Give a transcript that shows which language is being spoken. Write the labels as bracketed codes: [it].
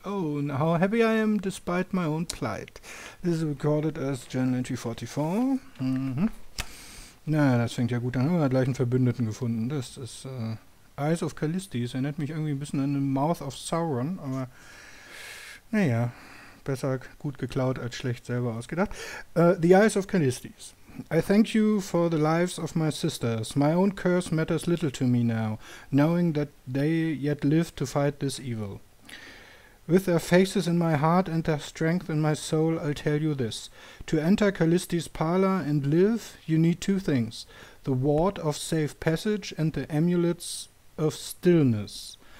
[en] Oh, and how happy I am despite my own plight. This is recorded as Journal Entry 44. [de] Naja, das fängt ja gut an. Wir haben gleich einen Verbündeten gefunden. Das ist Eyes of Callistis. Erinnert mich irgendwie ein bisschen an den Mouth of Sauron, aber naja, besser gut geklaut als schlecht selber ausgedacht. [en] The Eyes of Callistis. I thank you for the lives of my sisters. My own curse matters little to me now, knowing that they yet live to fight this evil. With their faces in my heart and their strength in my soul, I'll tell you this. To enter Callistis' parlor and live, you need two things: the ward of safe passage and the amulets of stillness.